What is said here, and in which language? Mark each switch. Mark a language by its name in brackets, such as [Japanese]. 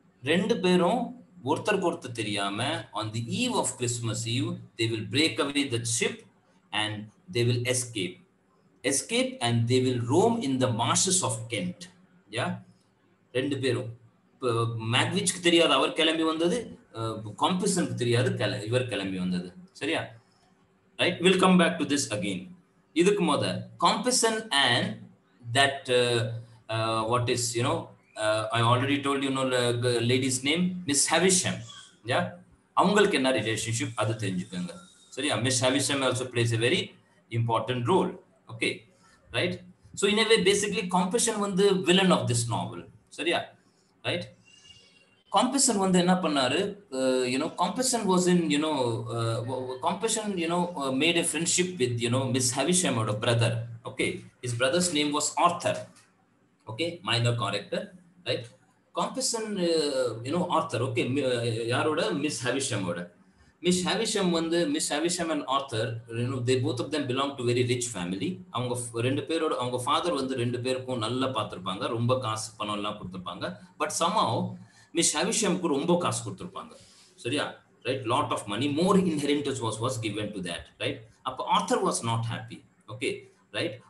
[Tamil] ரெண்டு பேரும் ஒருத்தருக்கு ஒருத்தர் தெரியாம [English] on the eve of Christmas Eve they will break away the ship and they will escape. Escape and they will roam in the marshes of Kent. Yeah? [Tamil] ரெண்டு பேரும் மேக்விச்சுக்கு தெரியாது அவர் கிளம்பி வந்தது, காம்பிசனுக்கு தெரியாது இவர் கிளம்பி வந்தது. [English] சரியா? Right? We'll come back to this again. [Tamil] இதுக்கு மொத [English] Compeyson and that what is, you know, I already told you, know, the lady's name, Miss Havisham. Yeah? [Tamil] அவங்களுக்கு என்ன ரிலேஷன்ஷிப் அது தெரிஞ்சுக்கோங்க. [English] சரியா? Miss Havisham also plays a very important role. Okay? Right? So in a way, basically, Compeyson வந்து villain of this novel. சரியா? Right? Compassion [Tamil] வந்து என்ன பண்ணாரு, [English] you know, Compassion was in, you know, Compassion, you know, made a friendship with, you know, Miss Havisham or a brother. Okay. His brother's name was Arthur. Okay. Minor character. Right. Compassion, you know, Arthur. Okay. யாரோட? Miss Havisham-ஓட. Miss Havisham வந்து, Miss Havisham and Arthur, you know, they both of them belong to very rich family. [Tamil] அவங்க ரெண்டு பேரோட, அவங்க father வந்து ரெண்டு பேருக்கும் நல்லா பார்த்துருப்பாங்க, ரொம்ப காசு பணம் எல்லாம் கொடுத்துருப்பாங்க. [English] but somehow [Tamil] மிஸ் ஹவிஷம்க்கு ரொம்ப காசு கொடுத்துருப்பாங்க. சரியா? Right? [English] Lot of money, more inheritance was given to that. Right? அப்போ Arthur was not happy. Okay. Right?